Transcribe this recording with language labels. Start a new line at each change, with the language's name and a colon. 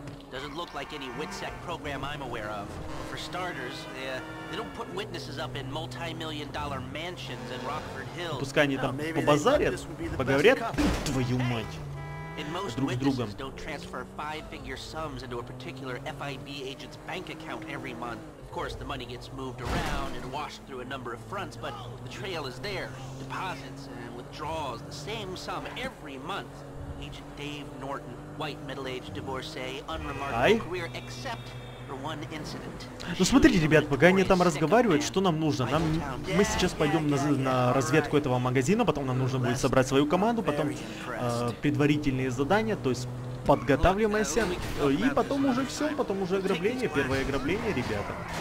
English: Doesn't look like any WITSEC program I'm aware of. For starters, they don't put witnesses up in multi-million dollar mansions in Rockford Hills.
Russian: Пускай они там побазарят, поговорят, твою мать.
English: And most witnesses don't transfer five-figure sums into a particular FIB agent's bank account every month. Of course, the money gets moved around and washed through a number of fronts, but the trail is there. Deposits and withdrawals, the same sum every month. Agent Dave Norton, white middle-aged divorcee, unremarkable career, except for one incident.
Russian: Ну смотрите, ребят, пока они там разговаривают, что нам нужно? Нам, мы сейчас пойдем на разведку этого магазина, потом нам нужно будет собрать свою команду, потом предварительные задания, то есть подготавливаемся, и потом уже все, потом уже ограбление, первое ограбление, ребята.